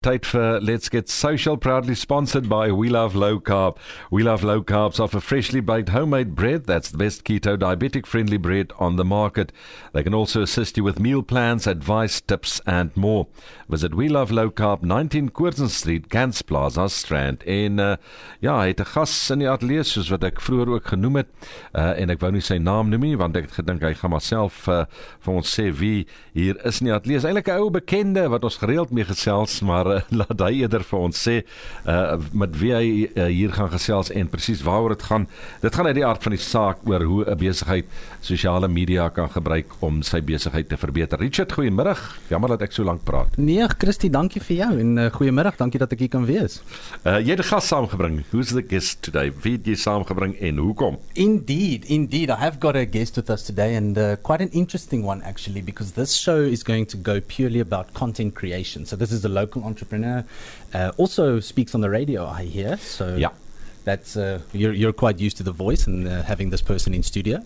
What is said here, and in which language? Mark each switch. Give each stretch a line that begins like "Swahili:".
English: Tate for Let's Get Social, proudly sponsored by We Love Low Carb. We Love Low Carbs offer freshly baked homemade bread. That's the best keto diabetic friendly bread on the market. They can also assist you with meal plans, advice, tips and more. Visit We Love Low Carb, 19 Koersen Street, Gans Plaza, Strand.
Afrikaans: En hy het 'n gas in die ateljee, soos wat ek vroeger ook genoem het. En ek wou nie sy naam noem nie, want ek het gedink hy gaan myself vir ons sê wie hier is in die ateljee. Eigenlijk een oude bekende wat ons gereeld mee gesels, maar laat hy eerder vir ons sê met wie hy hier gaan gesels en precies waar het gaan. Dit gaan uit die aard van die saak oor hoe 'n besigheid sosiale media kan gebruik om sy besigheid te verbeter. Richard, goeiemiddag. Jammer dat ek so lang praat. Nee, Christy, dankie vir jou en goeiemiddag, dankie dat ek hier kan wees. Jy het 'n gast saamgebring.
English: Who's the guest today?
Afrikaans: Wie het jy saamgebring en hoekom?
English: Indeed. I have got a guest with us today and quite an interesting one actually because this show is going to go purely about content creation. So this is a local entrepreneur, also speaks on the radio, I hear. So yeah, that's you're quite used to the voice and having this person in studio.